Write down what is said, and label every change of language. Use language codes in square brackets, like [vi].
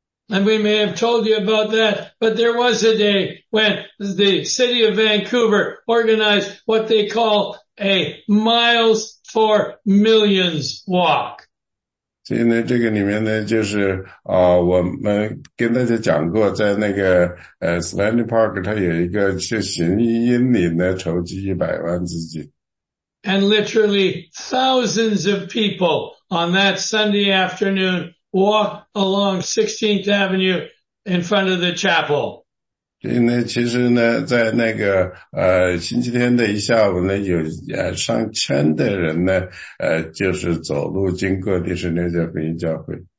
[en] And we may have told you about that, but there was a day when the city of Vancouver organized what they call a Miles for Millions walk. [zh] 所以呢，这个里面呢，就是我们跟大家讲过，在那个Stanley Park， 它有一个去行英里呢，筹集100万资金。 [en] And literally thousands of people on that Sunday afternoon walk along 16th Avenue in front of the chapel. [zh] 所以呢，其实呢，在那个星期天的一下午呢，有上千的人呢，就是走路经过第十六届福音教会。